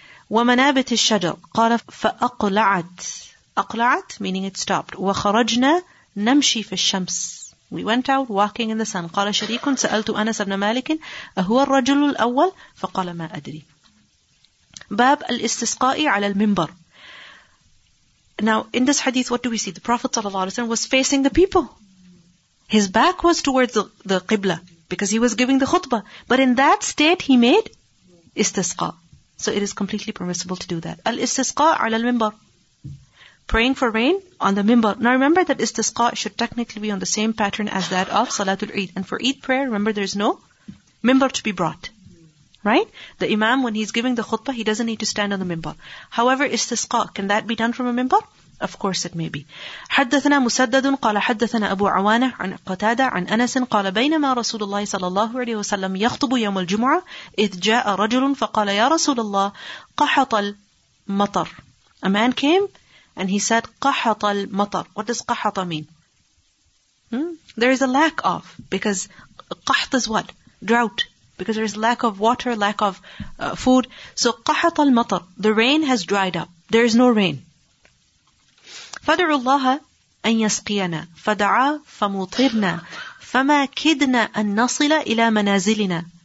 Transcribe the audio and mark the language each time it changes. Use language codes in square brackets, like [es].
[ar] ومنابت الشجر. قال فأقلعت, أقلعت [en] meaning it stopped. [ar] وخرجنا نمشي في الشمس, [en] we went out walking in the sun. [ar] قال شريك سألت أنس بن مالك أهو الرجل الأول فقال ما أدري. باب الاستسقاء على المنبر. [en] Now in this hadith what do we see? The Prophet sallallahu alaihi wasallam was facing the people, his back was towards the qibla because he was giving the khutbah, but in that state he made istisqa. So it is completely permissible to do that. Al istisqa ala al minbar. Praying for rain on the minbar. Now remember that istisqa should technically be on the same pattern as that of Salatul Eid. And for Eid prayer, remember there's no minbar to be brought. Right? The Imam, when he's giving the khutbah, he doesn't need to stand on the minbar. However, istisqa, can that be done from a minbar? Of course it may be. [ar] حدثنا مسدد قال حدثنا أبو عوانة عن قتادة عن أنس قال بينما رسول الله صلى الله عليه وسلم يخطب يوم الجمعة إذ جاء رجل فقال يا رسول الله قحط المطر. [en] A man came and he said [ar] قحط المطر. [en] What does قحط mean? There is a lack of, because قحط is what? Drought. Because there is lack of water, lack of food. So [ar] قحط المطر, [en] the rain has dried up, there is no rain. [ar] فدعوا الله أن يسقينا فدعا فمطرنا فما كدنا أن نصل إلى منازلنا.